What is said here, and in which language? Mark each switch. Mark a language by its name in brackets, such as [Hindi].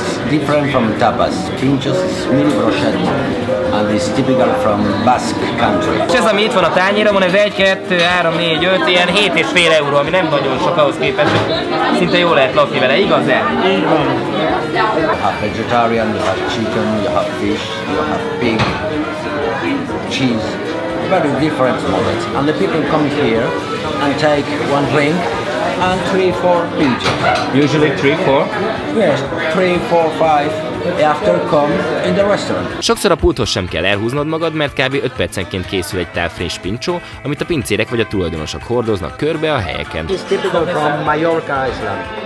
[English] Different from tapas, pinchos is mini brochette and is typical from Basque country. [Hungarian] És ez, ami itt van a tányéromon, ez 1, 2, 3, 4, 5, ilyen 7,5 euró, ami nem nagyon sok ahhoz képest, hogy szinte jól lehet lakni vele, igaz-e? [English] You have vegetarian, you have chicken, you have fish, you have pig, cheese, very different moments. And the people come here and take one drink. And 3-4 pinchos. Usually 3-4? Yes, 3-4-5 after come in the restaurant. [Hungarian] Sokszor a pulthoz sem kell elhúznod magad, mert kb. 5 percenként készül egy tál friss pincsó, amit a pincérek vagy a tulajdonosok hordoznak körbe a helyeken. [English] It's typical from Mallorca, Iceland.